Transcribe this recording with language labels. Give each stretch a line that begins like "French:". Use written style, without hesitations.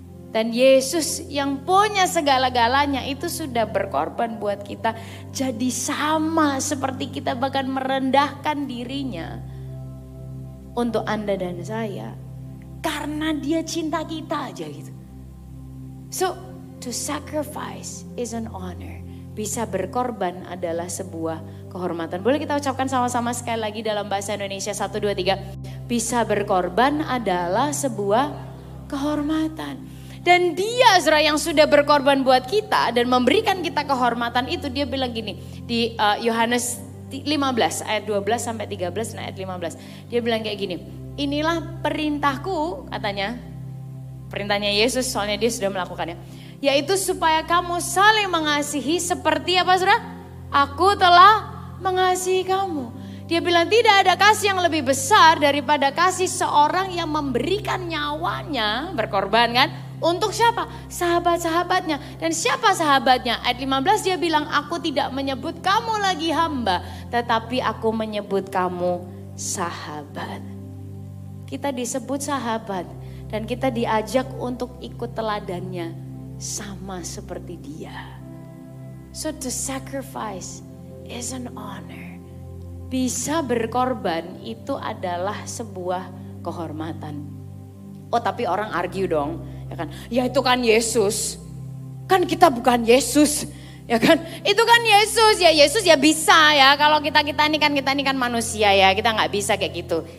Indonesian: Dan Yesus yang punya segala-galanya itu sudah berkorban buat kita. Jadi sama seperti kita, bahkan merendahkan dirinya untuk Anda dan saya. Karena dia cinta kita aja gitu.
English: So, to sacrifice is an honor.
Indonesian: Bisa berkorban adalah sebuah kehormatan. Boleh kita ucapkan sama-sama sekali lagi dalam bahasa Indonesia. 1, 2, 3. Bisa berkorban adalah sebuah kehormatan. Dan dia, Ezra, yang sudah berkorban buat kita dan memberikan kita kehormatan itu, dia bilang gini di Yohanes 15 ayat 12 sampai 13 dan ayat 15. Dia bilang kayak gini, inilah perintahku, katanya, perintahnya Yesus, soalnya dia sudah melakukannya. Yaitu supaya kamu saling mengasihi seperti apa, Ezra? Aku telah mengasihi kamu. Dia bilang tidak ada kasih yang lebih besar daripada kasih seorang yang memberikan nyawanya berkorban kan. Untuk siapa? Sahabat-sahabatnya. Dan siapa sahabatnya? Ayat 15 dia bilang, aku tidak menyebut kamu lagi hamba, tetapi aku menyebut kamu sahabat. Kita disebut sahabat dan kita diajak untuk ikut teladannya sama seperti dia.
English: So to sacrifice is an honor.
Indonesian: Bisa berkorban itu adalah sebuah kehormatan. Oh tapi orang argue dong, ya kan? Ya itu kan Yesus, kan kita bukan Yesus, ya kan? Itu kan Yesus, ya Yesus ya bisa ya. Kalau kita ini kan manusia ya, kita nggak bisa kayak gitu.